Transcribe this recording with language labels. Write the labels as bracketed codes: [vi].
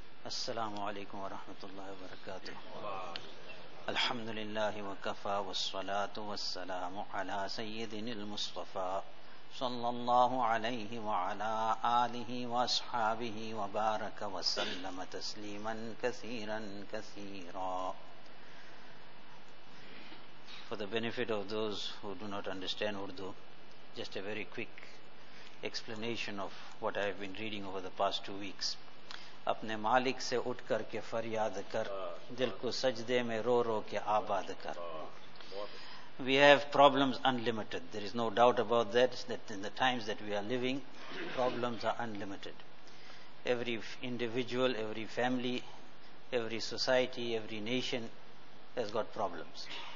[ar] السلام عليكم ورحمة الله وبركاته الحمد لله وكفى والصلاة والسلام على سيدنا المصطفى صلى الله عليه وعلى آله وأصحابه وبارك وسلم تسليما كثيرا كثيرا. [en] For the benefit of those who do not understand Urdu, just a very quick explanation of what I have been reading over the past 2 weeks. [ur] اپنے مالک سے اٹھ کر کے فریاد کر, دل کو سجدے میں رو رو کے آباد کر. [en] We have problems unlimited, there is no doubt about that in the times that we are living, problems are unlimited. Every individual, every family, every society, every nation has got problems.